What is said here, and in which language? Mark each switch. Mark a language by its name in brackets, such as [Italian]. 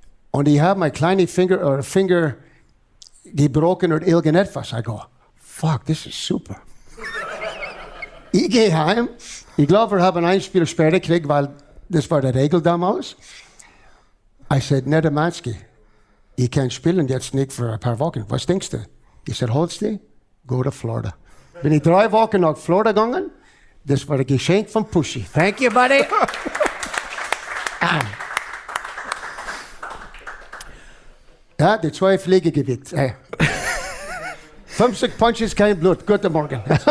[German] Und ich habe meinen kleinen Finger gebrochen oder irgendetwas. [English] Ich go, fuck, this is super. [German] Ich gehe heim. Ich glaube, wir haben ein Spiel später gekriegt, weil das war die Regel damals. [English] I said, [German] Nedimansky, ich kann spielen jetzt nicht für ein paar Wochen. Was denkst du? [English] He said, Holste, go to Florida. [German] Bin ich 3 Wochen nach Florida gegangen. Das war ein Geschenk von Pushy. [English] Thank you, buddy. [German] Ja, die 2 Fliege gewickt. Hey. 50 Punches, kein Blut. Guten Morgen.